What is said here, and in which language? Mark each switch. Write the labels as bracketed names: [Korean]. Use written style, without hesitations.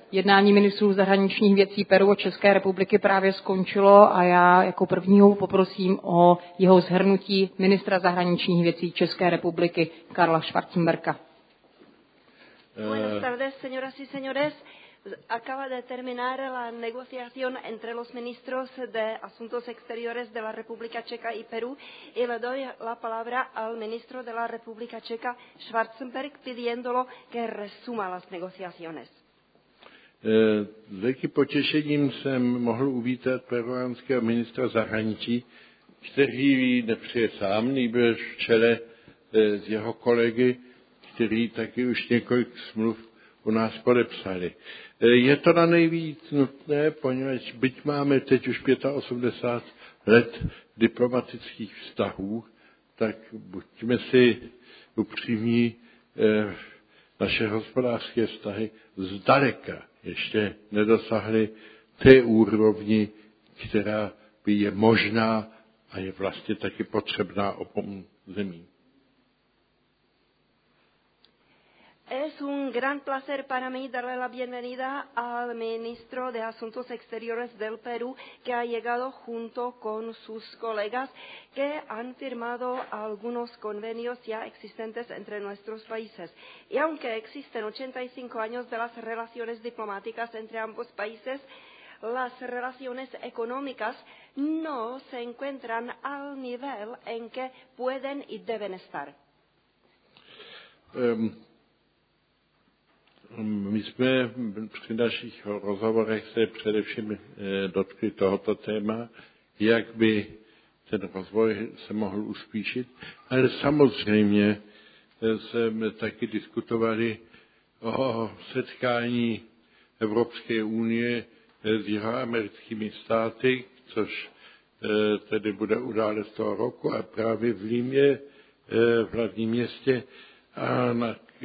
[Czech] Jednání ministrů zahraničních věcí Peru a České republiky právě skončilo a já jako prvního poprosím o jeho shrnutí ministra zahraničních věcí České republiky Karla Schwarzenberga. [Spanish] Buenas tardes, señoras y señores. Acaba de terminar la negociación entre los ministros de Asuntos Exteriores de la República Checa y Perú y le doy la palabra al ministro de la República Checa, Schwarzenberg, pidiéndolo que resuma las negociaciones. [Czech] S velkým potěšením jsem mohl uvítat peruánského ministra zahraničí, který nepřijde sám, nýbrž v čele s jeho kolegy, který taky už několik smluv u nás podepsali. Je to na nejvíc nutné, poněvadž byť máme teď už 85 let diplomatických vztahů, tak buďme si upřímní, naše hospodářské vztahy zdaleka ještě nedosáhly té úrovni, která by je možná a je vlastně taky potřebná obou zemím. [Spanish] Es un gran placer para mí darle la bienvenida al ministro de Asuntos Exteriores del Perú, que ha llegado junto con sus colegas que han firmado algunos convenios ya existentes entre nuestros países. Y aunque existen 85 años de las relaciones diplomáticas entre ambos países, las relaciones económicas no se encuentran al nivel en que pueden y deben estar. [Czech] My jsme při našich rozhovorech se především dotkli tohoto téma, jak by ten rozvoj se mohl uspíšit, ale samozřejmě jsme taky diskutovali o setkání Evropské unie s jihoamerickými státy, což tedy bude událost toho roku a právě v Limě, v hlavním městě a na